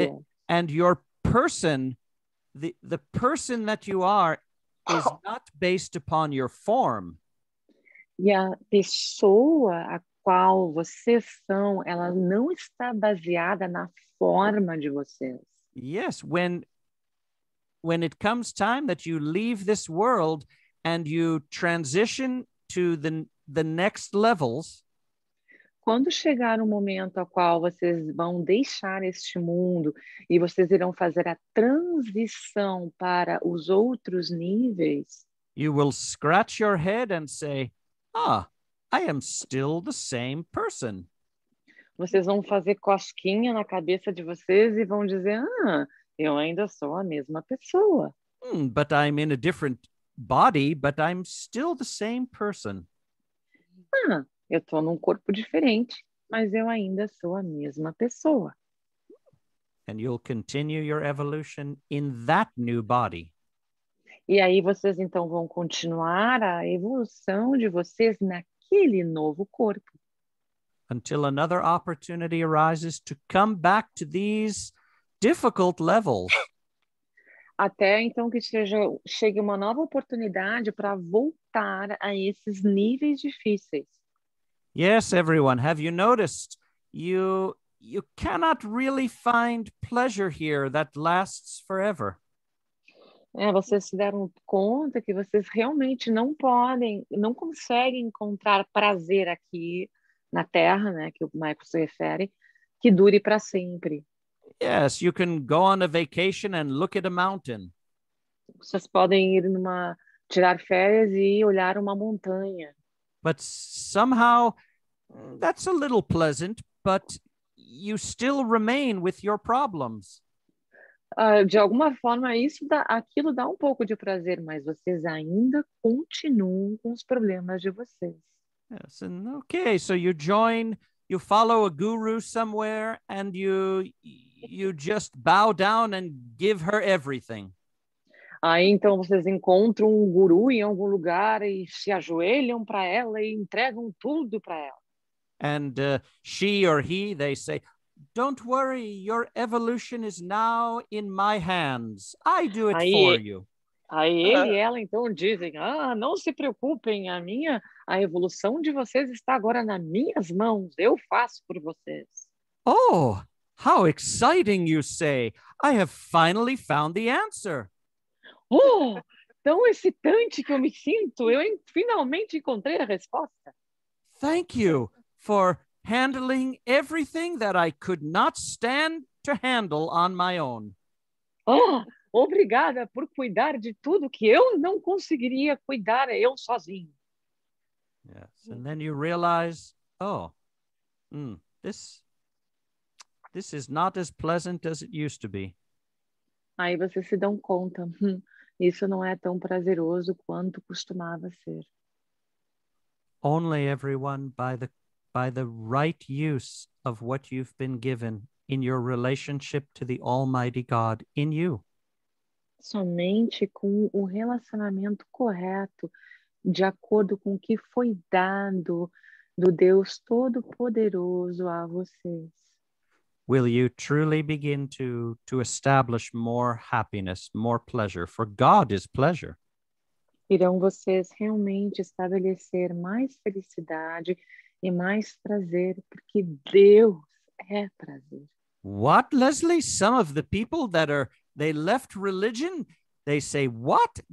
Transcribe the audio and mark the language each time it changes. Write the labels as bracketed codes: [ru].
[en] Yes, and your person, the person that you are is not based upon your form. [pt] E a pessoa a qual vocês são, ela não está baseada na forma de vocês. [en] Yes, when it comes time that you leave this world and you transition to the next levels. [pt] Quando chegar o momento ao qual vocês vão deixar este mundo e vocês irão fazer a transição para os outros níveis, [en] you will scratch your head and say, ah, I am still the same person. [pt] Vocês vão fazer cosquinha na cabeça de vocês e vão dizer, ah, eu ainda sou a mesma pessoa. [en] But I'm in a different body, but I'm still the same person. [pt] Eu estou num corpo diferente, mas eu ainda sou a mesma pessoa. [en] And you'll continue your evolution in that new body. [pt] E aí vocês então vão continuar a evolução de vocês naquele novo corpo. [en] Until another opportunity arises to come back to these difficult levels. [pt] Até então que chegue uma nova oportunidade para voltar a esses níveis difíceis. [en] Yes, everyone, have you noticed? You cannot really find pleasure here that lasts forever. [pt] É, vocês se deram conta que vocês realmente não podem, não conseguem encontrar prazer aqui na Terra, né, que o Michael se refere, que dure para sempre. [en] Yes, you can go on a vacation and look at a mountain. [pt] Vocês podem ir tirar férias e olhar uma montanha. [en] But somehow, that's a little pleasant, but you still remain with your problems. [pt] De alguma forma, aquilo dá um pouco de prazer, mas vocês ainda continuam com os problemas de vocês. [en] Yes, and okay, so you join, you follow a guru somewhere, and you just bow down and give her everything. [pt] Aí, então, vocês encontram um guru em algum lugar e se ajoelham para ela e entregam tudo para ela. [en] And she or he, they say, don't worry, your evolution is now in my hands. I do it for you. [pt] Aí ele e ela, então, dizem, ah, não se preocupem, a evolução de vocês está agora nas minhas mãos. Eu faço por vocês. [en] Oh, how exciting, you say. I have finally found the answer. [pt] Oh, tão excitante que eu me sinto. Eu finalmente encontrei a resposta. [en] Thank you for handling everything that I could not stand to handle on my own. Oh, [pt] Obrigada por cuidar de tudo que eu não conseguiria cuidar eu sozinho. [en] Yes, and then you realize, oh, this is not as pleasant as it used to be. [pt] Aí você se dão conta, isso não é tão prazeroso quanto costumava ser. [en] Only everyone by the right use of what you've been given in your relationship to the Almighty God in you. [pt] Somente com o relacionamento correto, de acordo com o que foi dado do Deus Todo-Poderoso a vocês. [en] Will you truly begin to establish more happiness, more pleasure? For God is pleasure. [pt] Irão vocês realmente estabelecer mais felicidade e mais prazer, porque Deus é prazer. [en] What, Leslie? Some of the people that are, they left religion, they say, what?